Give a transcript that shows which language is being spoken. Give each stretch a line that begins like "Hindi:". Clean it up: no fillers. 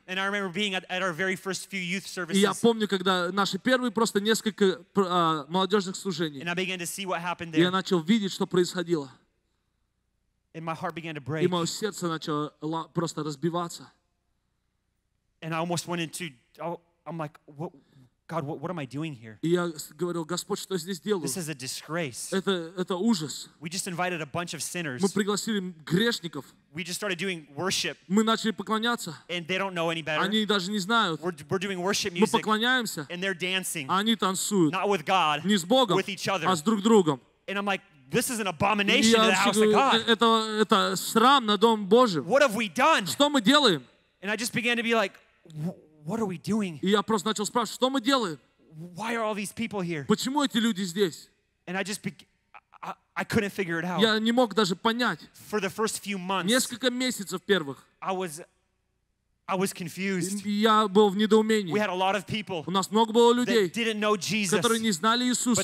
English: And I remember being at our very first few youth services.
Russian: И я помню, когда наши первые просто несколько молодежных служений.
English: And I began to see what happened there.
Russian: Я начал видеть, что происходило.
English: And my heart began to break.
Russian: И мое сердце начало просто разбиваться.
English: And I almost went into, I'm like, what? God, what am I doing here?
Russian: Я говорил, Господь, что я здесь делаю?
English: This is a disgrace.
Russian: Это ужас.
English: We just invited a bunch of sinners.
Russian: Мы пригласили грешников.
English: We just started doing worship.
Russian: Мы начали поклоняться.
English: And they don't know any better.
Russian: Они даже не знают.
English: We're doing worship music.
Russian: Мы поклоняемся.
English: And they're dancing.
Russian: Они танцуют.
English: Not with God.
Russian: Не с Богом.
English: With each other.
Russian: А с друг другом.
English: And I'm like, this is an abomination to the house of God.
Russian: Это срам на Дом Божий.
English: What have we done?
Russian: Что мы делаем?
English: And I just began to be like, What are we doing?
Russian: И я просто начал спрашивать, что мы делаем?
English: Why are all these people here?
Russian: Почему эти люди здесь?
English: And I just I couldn't figure it out.
Russian: Я не мог даже понять.
English: For the first few months.
Russian: Несколько месяцев первых.
English: I was confused.
Russian: Я был в недоумении.
English: We had a lot of people.
Russian: У нас много было людей.
English: That didn't know Jesus.
Russian: Которые не знали Иисуса.